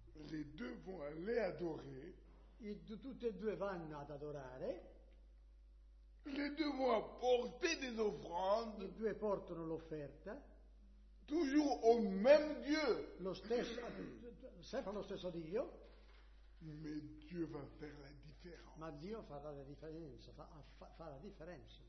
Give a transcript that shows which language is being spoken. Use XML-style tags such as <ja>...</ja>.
<fr>Les deux vont aller adorer.</fr> <it>Tutti e due vanno ad adorare.</it> <fr>Les deux vont apporter des offrandes.</fr> <it>I due portano l'offerta.</it> <fr>Toujours au même Dieu.</fr> <it>Lo stesso, sempre lo stesso Dio.</it> <fr>Mais Dieu va faire la différence.</fr> <it>Ma Dio farà la differenza, fa la differenza.</it>